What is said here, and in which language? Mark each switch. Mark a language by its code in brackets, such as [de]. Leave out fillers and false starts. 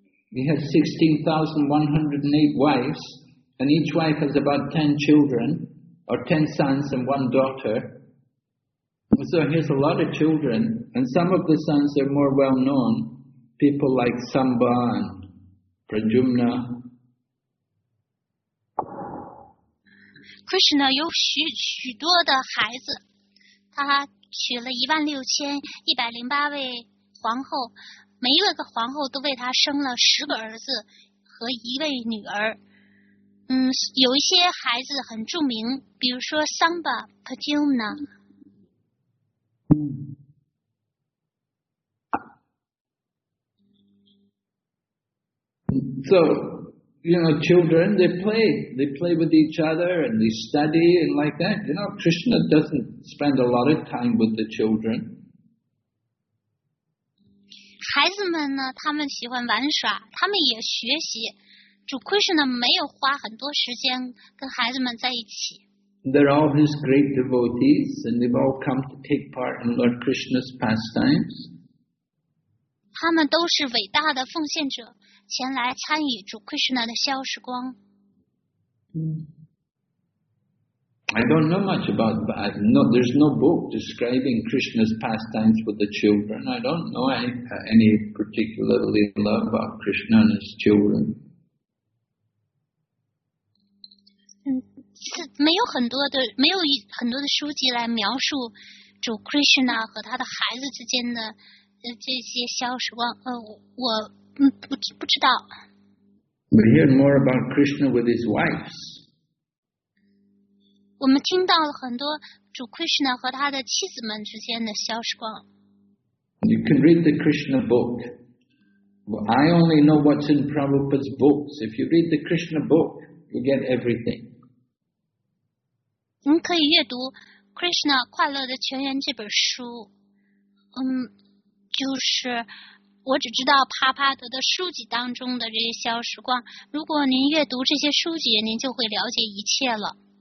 [en] He has 16,108 wives, and each wife has about 10 children, or 10 sons and one daughter. So he has a lot of children, and some of the sons are more well-known, people like Samba and Pradyumna. [zh] Krishna 有许多的孩子，他娶了16,108位皇后，每一个皇后都为他生了十个儿子和一位女儿。有一些孩子很著名，比如说 Samba, Pradyumna. [en] So, you know, children, they play. They play with each other and they study and like that. You know, Krishna doesn't spend a lot of time with the children. [zh] 孩子们呢，他们喜欢玩耍，他们也学习。主 Krishna 没有花很多时间跟孩子们在一起。 [en] They're all his great devotees, and they've all come to take part in Lord Krishna's pastimes. [zh] 他们都是伟大的奉献者，前来参与主 Krishna 的逍遥时光。 [en] I don't know much about that. No, there's no book describing Krishna's pastimes with the children. I don't know any particularly love about Krishna and his children. [zh] 没有很多的，没有很多的书籍来描述主 Krishna 和他的孩子之间的这些逍遥时光。我不知道。 [en] We hear more about Krishna with his wives. [zh] 我们听到了很多主 Krishna 和他的妻子们之间的逍遥时光。 [en] You can read the Krishna book. Well, I only know what's in Prabhupada's books. If you read the Krishna book, you get everything. [zh] 您可以阅读 Krishna 快乐的泉源这本书，就是我只知道帕帕德的书籍当中的这些逍遥时光。如果您阅读这些书籍，您就会了解一切了。